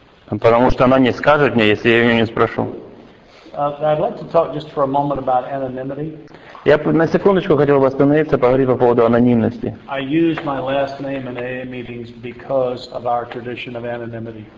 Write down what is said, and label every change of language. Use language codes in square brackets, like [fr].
[ru] Потому что она не скажет мне, если я ее не спрошу. [en] I'd like to talk just for a moment about anonymity. [ru] Я на секундочку хотел бы остановиться, поговорить по поводу анонимности. [en] I use my last name in AA meetings because of our tradition of anonymity.